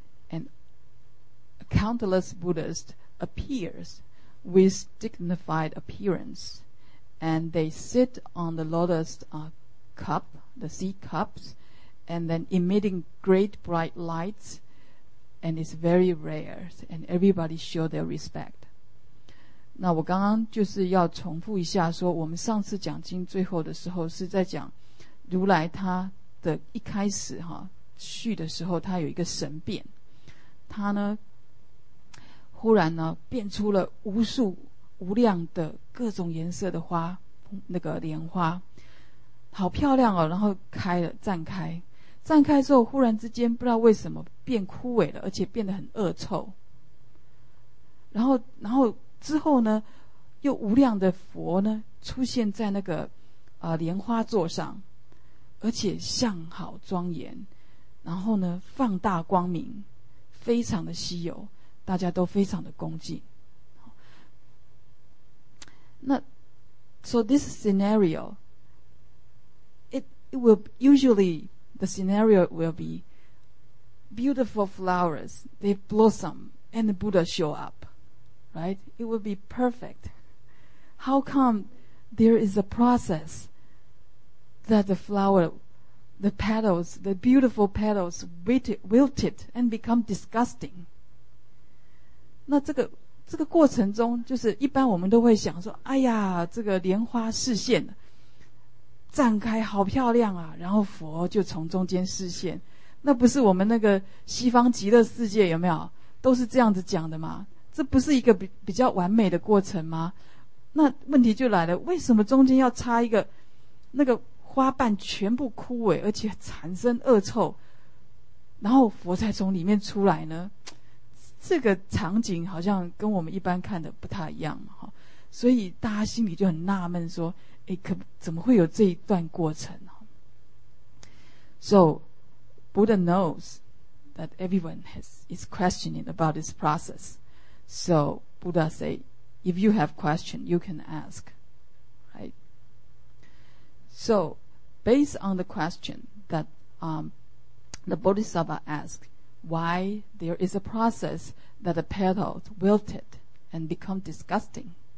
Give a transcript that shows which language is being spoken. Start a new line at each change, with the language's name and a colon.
English: And countless Buddhas appears with dignified appearance, and they sit on the lotus cup, the sea cups, and then emitting great bright lights, and it's very rare, and everybody show their respect.
Chinese: 那我刚刚就是要重复一下说，我们上次讲经最后的时候是在讲如来他的一开始哈续的时候，他有一个神变，他呢忽然呢变出了无数无量的各种颜色的花，那个莲花好漂亮哦，然后开了，绽开之后，忽然之间不知道为什么变枯萎了，而且变得很恶臭，然后之后呢又无量的佛呢出现在那个莲花座上，而且相好庄严，然后呢放大光明，非常的稀有，大家都非常的恭敬。
English: 那 so this scenario, it will usually the scenario will be beautiful flowers, they blossom and the Buddha show up, right? It will be perfect. How come there is a process that the flower, the petals, the beautiful petals wilted and become disgusting?
Chinese: 那这个过程中，就是一般我们都会想说，哎呀，这个莲花视线绽开好漂亮啊，然后佛就从中间视线，那不是我们那个西方极乐世界有没有都是这样子讲的吗？这不是一个比较完美的过程吗？那问题就来了，为什么中间要插一个那个花瓣全部枯萎而且产生恶臭，然后佛才从里面出来呢？这个场景好像跟我们一般看的不太一样，所以大家心里就很纳闷说，诶，可怎么会有这一段过程。
English: So Buddha knows that everyone is questioning about this process. So Buddha say, if you have question, you can ask, right? So based on the question that the Bodhisattva asked, why there is a processthat the petals wilted and become disgusting.